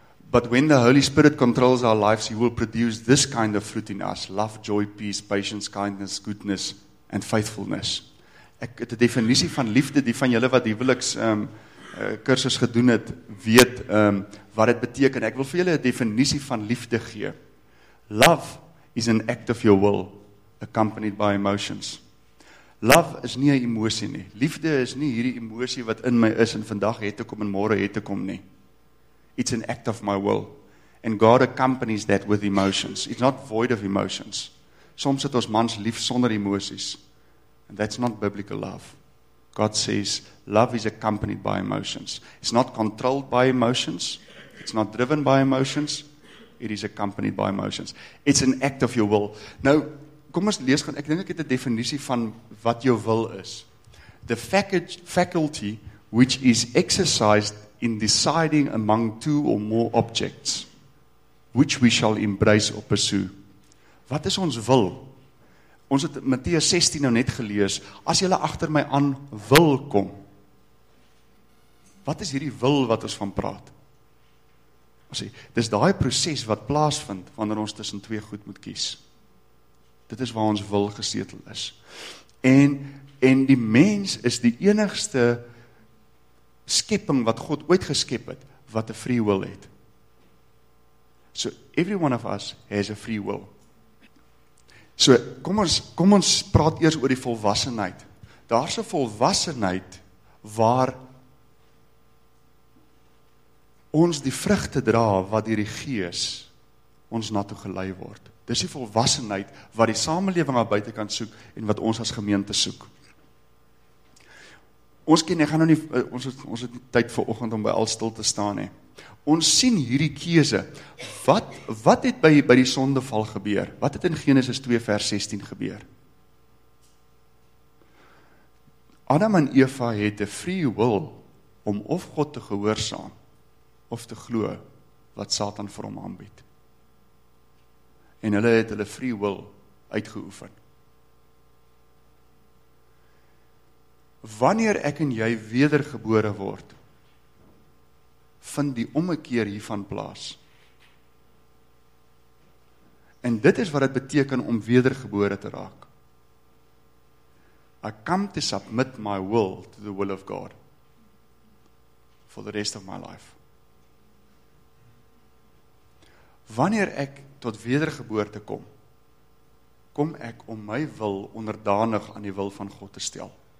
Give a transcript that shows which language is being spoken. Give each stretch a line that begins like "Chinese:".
English: But when the Holy Spirit controls our lives, He will produce this kind of fruit in us. Love, joy, peace, patience, kindness, goodness, and faithfulness.
Afrikaans: Ek het 'n definisie van liefde, die van julle wat huweliks kursus gedoen het, weet wat dit beteken. Ek wil vir julle 'n definisie van liefde gee.
English: Love is an act of your will, accompanied by emotions.
Afrikaans: Love is nie 'n emosie nie. Liefde is nie hierdie emosie wat in my is en vandag het ek kom en môre het ek kom nie.
English: It's an act of my will. And God accompanies that with emotions. It's not void of emotions.
Afrikaans: Soms het ons mans lief sonder emosies.
English: And that's not biblical love. God says, love is accompanied by emotions. It's not controlled by emotions. It's not driven by emotions. It is accompanied by emotions. It's an act of your will.
Afrikaans: Nou, kom ons lees gaan. Ek dink ek het 'n definisie van wat jou wil is.
English: The faculty which is exercised in deciding among two or more objects, which we shall embrace or pursue.
Afrikaans: Wat is ons wil? Ons het Matteus 16 nou net gelees, as jy agter my aan wil kom, wat is hierdie wil wat ons van praat? Dis daai proses wat plaasvind, wanneer ons tussen twee goed moet kies. Dit is waar ons wil gesetel is. En die mens is die enigste skepping wat God ooit geskep het, wat 'n free will het.
English: So, every one of us has a free will.
Afrikaans: So, kom ons praat eers oor die volwassenheid. Daar's 'n volwassenheid waar ons die vrugte dra wat deur die Gees ons na toe gelei word. Dis die volwassenheid wat die samelewing aan buitekant soek en wat ons as gemeente soek. Ons het nie tyd vir oggend om by al stil te staan nie. Ons sien hierdie keuse. Wat het by die sondeval gebeur? Wat het in Genesis 2 vers 16 gebeur? Adam en Eva het 'n free will om of God te gehoorsaam of te glo wat Satan vir hom aanbied. En hulle het hulle free will uitgeoefen. Wanneer ek en jy wedergebore word, vind die ommekeer hiervan plaas. En dit is wat het beteken om wedergebore te raak.
English: I come to submit my will to the will of God for the rest of my life.
Afrikaans: Wanneer ek tot wedergeboorte kom, kom ek om my wil onderdanig aan die wil van God te stel.